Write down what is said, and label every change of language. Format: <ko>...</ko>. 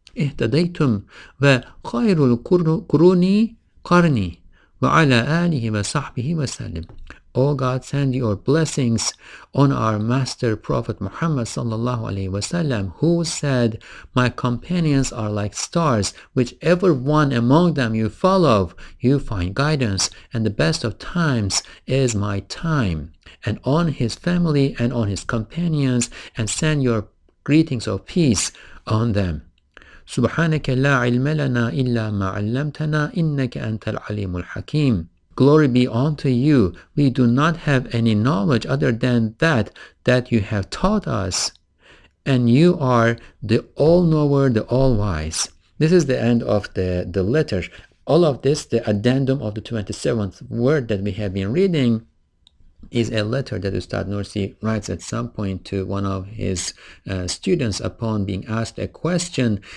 <ar>اهتديتم وخير القرون قرني وعلى آله وصحبه وسلم.</ar> <en>O God, send your blessings on our master Prophet Muhammad sallallahu alaihi wasallam, who said, my companions are like stars, whichever one among them you follow, you find guidance, and the best of times is my time, and on his family and on his companions, and send your greetings of peace on them.</en> <ar>سبحانك لا علم لنا إلا ما علمتنا إنك أنت العليم الحكيم.</ar> <en>Glory be unto you. We do not have any knowledge other than that you have taught us. And you are the all-knower, the all-wise. This is the end of the letter. All of this, the addendum of the 27th word that we have been reading, is a letter that Ustad Nursi writes at some point to one of his students upon being asked a question.</en>